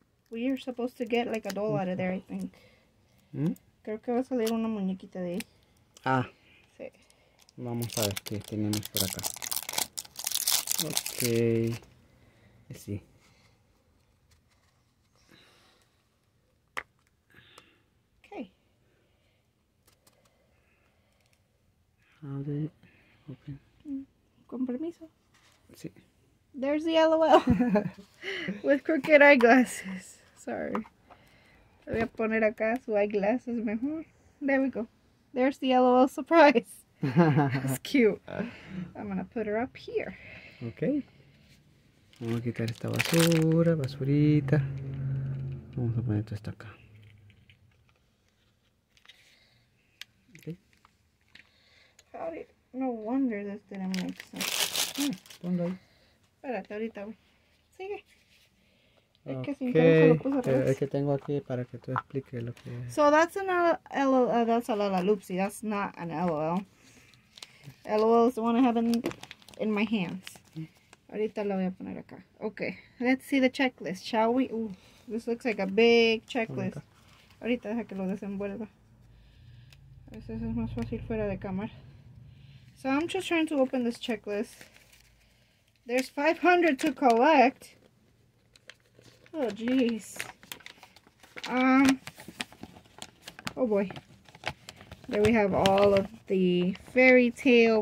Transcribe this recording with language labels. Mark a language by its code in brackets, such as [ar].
[en] We are supposed to get like a doll out of there, I think. [es] Creo que va a salir una muñequita de ahí. Ah. Sí. Vamos a ver qué tenemos por acá. [en] Okay. [es] Sí. [en] Okay. How did it open? [es] Con permiso. Sí. [en] There's the LOL. With crooked eyeglasses. Sorry. [es] Voy a poner acá su eyeglasses mejor. [en] There we go. There's the LOL surprise. That's cute. I'm gonna put her up here. Okay. [es] Vamos a quitar esta basurita. Vamos a poner esto acá. [en] Okay. How did, no wonder this didn't make sense. [es] Ponlo ahí. Espérate, ahorita. Sigue. [en] Okay, [es] es que tengo aquí para que tú expliques lo que... [en] So that's an LOL, that's a Lala Loopsy, that's not an LOL. LOL is the one I have in my hands. [es] Ahorita lo voy a poner acá. [en] Okay, let's see the checklist, shall we? Ooh, this looks like a big checklist. [es] Ahorita deja que lo desenvuelva. A veces es más fácil fuera de cámara. [en] So I'm just trying to open this checklist. There's 500 to collect. Oh jeez. Oh boy. There we have all of the fairy tale.